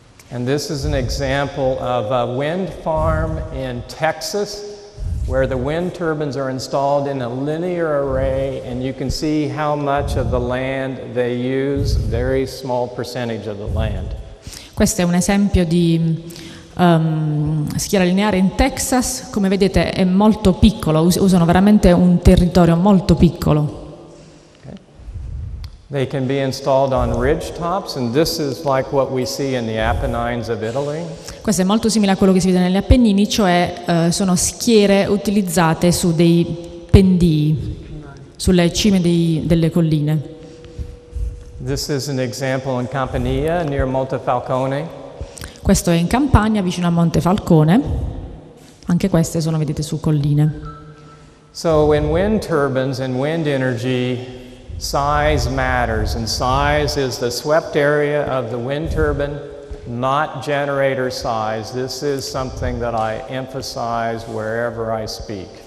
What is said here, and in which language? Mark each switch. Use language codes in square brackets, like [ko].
[en] And this is an example of a wind farm in Texas, where the wind turbines are installed in a linear array, and you can see how much of the land they use, very small percentage of the land. [it] Questo è un esempio di schiera lineare in Texas. Come vedete è molto piccolo, usano veramente un territorio molto piccolo. [en] Okay. They can be installed on ridge tops, and this is like what we see in the Apennines of Italy. [it] Questo è molto simile a quello che si vede negli Appennini, cioè sono schiere utilizzate su dei pendii, sulle cime dei, delle colline. [en] This is an example in Campania, near Monte Falcone. [it] Questo è in Campania, vicino a Monte Falcone. Anche queste sono, vedete, su colline. [en] So in wind turbines and wind energy, size matters, and size is the swept area of the wind turbine, not generator size. This is something that I emphasize wherever I speak.